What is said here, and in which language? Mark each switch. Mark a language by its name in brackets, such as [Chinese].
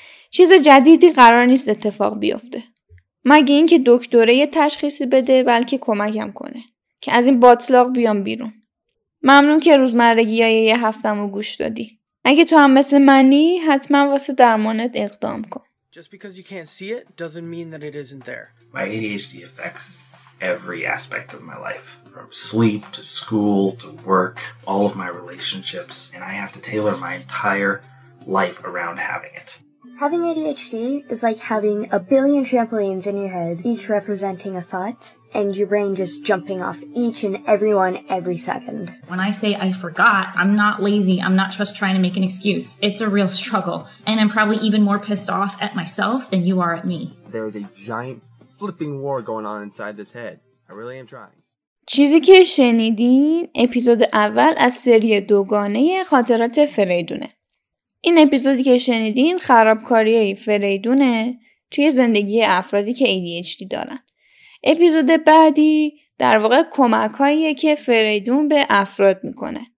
[Persian] چیز جدیدی قرار نیست اتفاق بیفته. مگه اینکه دکتره یه تشخیصی بده، بلکه کمکم کنه که از این باتلاق بیام بیرون. ممنون که روزمرگیای یه هفتمو گوش دادی. اگه تو هم مثل منی، حتما واسه درمانت اقدام کن. [English] Just because you can't see it doesn't mean that it isn't there. My ADHD affects every aspect of my life, from sleep to school to work, all of my relationships, and I have to tailor my entire life around having it. Having ADHD is like having a billion trampolines in your head, each representing a thought, and your brain just jumping off each and every one every second. When I say I forgot, I'm not lazy. I'm not just trying to make an excuse. It's a real struggle. And I'm probably even more pissed off at myself than you are at me. There's a giant flipping war going on inside this head. I really am trying. [Persian] چیزی که شنیدین، اپیزود اول از سری دوگانه خاطرات فریدونه. این اپیزودی که شنیدین خرابکاری فریدونه توی زندگی افرادی که ADHD دارن. اپیزود بعدی در واقع کمک‌هاییه که فریدون به افراد میکنه.